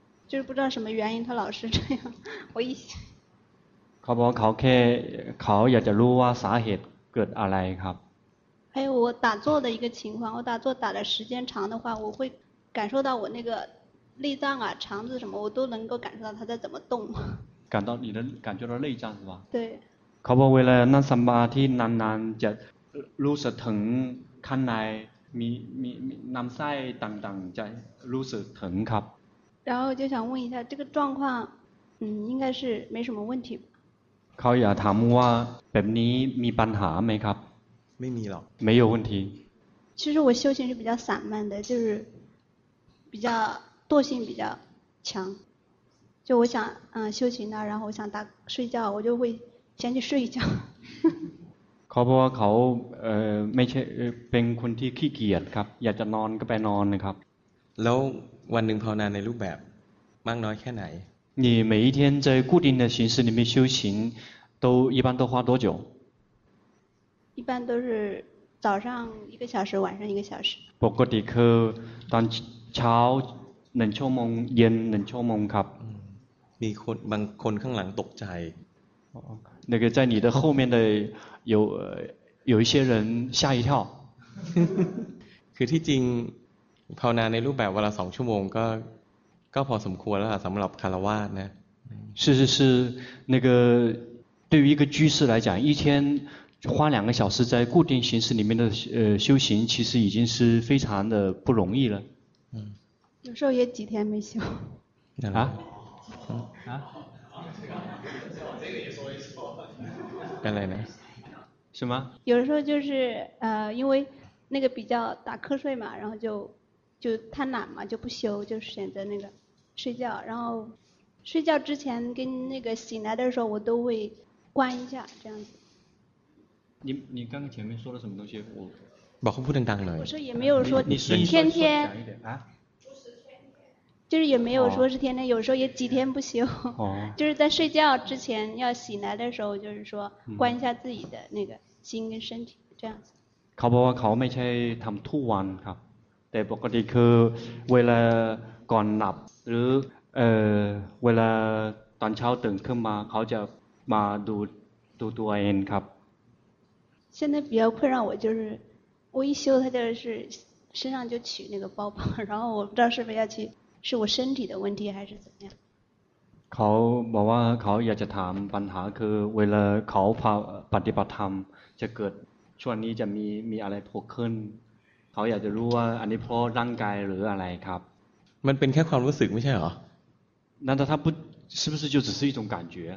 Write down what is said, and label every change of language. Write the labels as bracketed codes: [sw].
[zh] 就是不知道什么原因他老是这样我一 [th] เขาบอกเขาแค่เขาอยากจะรู้ว่าสาเหตุเกิดอะไรครับ [zh] 还有我打坐的一个情况我打坐打的时间长的话我会感受到我那个内脏啊、肠子什么，我都能够感受到它在怎么动。感到你的感觉到内脏是吧？对。 [th] เขาบอกเวลานั่งสมาธินานๆจะรู้สึกถึงข้างในมีน้ำไส้ต่างๆจะรู้สึกถึงครับ [zh] 然后就想问一下这个状况应该是没什么问题 [th] เขาอยากถามว่าแบบนี้มีปัญหาไหมครับ [zh] 没 [th] มีหรอก [zh] 没有问题其实我修行是比较散漫的就是比较惰性比较强就我想修行呢然后我想打睡觉我就会先去睡一觉 [th] เขาบอกว่าเขาไม่ใช่เป็นคนที่ขี้เกียจครับอยากจะนอนก็ไปนอนนะครับ แล้ววันหนึ่งภาวนาในรูปแบบมากน้อยแค่ไหน [zh] 你每一天在固定的形式里面修行都一般都花多久一般都是早上一个小时晚上一个小时 [th] ปกติคือตอนเช้า1ชั่วโมงเย็น1ชั่วโมงครับ มีคนบางคนข้างหลังตกใจ [zh] 那个在你的后面的有有一些人吓一跳 [th] คือที่จริงภาวนาในรูปแบบเวลา2ชั่วโมงก็พอสมควรแล้วล่ะสำหรับคารวาสนะ [zh] 是是是那个对于一个居士来讲一天花两个小时在固定形式里面的修行其实已经是非常的不容易了有时候也几天没修啊啊原来呢什么有时候就是因为那个比较打瞌睡嘛然后就贪懒嘛就不修就选择那个睡觉然后睡觉之前跟那个醒来的时候我都会关一下这样子你刚刚前面说了什么东西我把话说得当了我说也没有说你天天啊就是也没有说是天天、哦、有时候也几天不休、哦、就是在睡觉之前要醒来的时候就是说关一下自己的那个心跟身体这样子 [th] เขาบอกว่าเขาไม่ใช่ทำทุกวันครับแต่ปกติคือเวลาก่อนหลับหรือเวลาตอนเช้าตื่นขึ้นมาเขาจะมาดูตัวเองครับ [zh] 现在比较困扰我就是我一休他就是身上就取那个包包然后我不知道是不是要去是我身体的问题还是怎么样 [th] เขาบอกว่าเขาอยากจะถามปัญหาคือเวลาเขาปฏิบัติธรรมจะเกิดช่วงนี้จะมีอะไรพกขึ้นเขาอยากจะรู้ว่าอันนี้เพราะร่างกายหรืออะไรครับ มันเป็นแค่ความรู้สึกไม่ใช่หรอ นั่นถ้าท่านพูด [zh] 是不是就只是一种感觉